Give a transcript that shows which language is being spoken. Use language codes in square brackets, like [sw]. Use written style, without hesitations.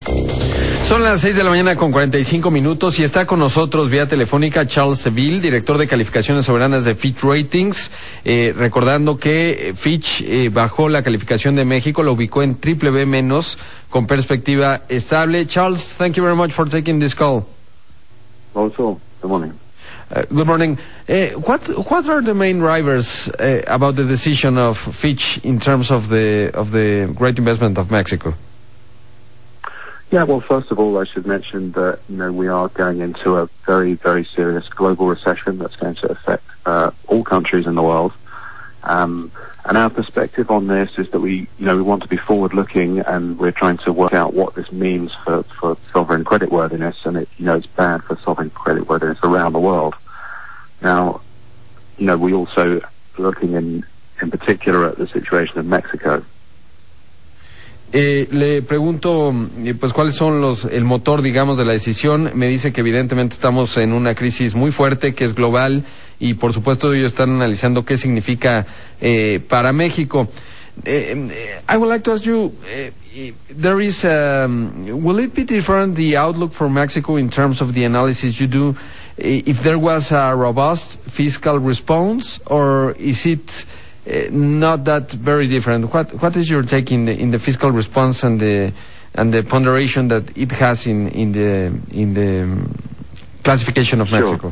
[es] Son las 6:45 y está con nosotros vía telefónica Charles Seville, director de calificaciones soberanas de Fitch Ratings, recordando que Fitch bajó la calificación de México, la ubicó en triple B menos con perspectiva estable. [en] Charles, thank you very much for taking this call. Also, good morning. What are the main drivers about the decision of Fitch in terms of the great investment of Mexico? Yeah, well, first of all, I should mention that, you know, we are going into a very, very serious global recession that's going to affect all countries in the world. And our perspective on this is that we want to be forward-looking, and we're trying to work out what this means for sovereign creditworthiness, and it's bad for sovereign creditworthiness around the world. Now, you know, we're also looking in particular at the situation of Mexico. [es] Le pregunto, pues, ¿cuáles son el motor, digamos, de la decisión? Me dice que evidentemente estamos en una crisis muy fuerte, que es global, y por supuesto ellos están analizando qué significa para México. [en] I would like to ask you, there is, will it be different, the outlook for Mexico, in terms of the analysis you do, if there was a robust fiscal response, or is it... not that very different. What is your take in the fiscal response and the ponderation that it has in the classification of Mexico?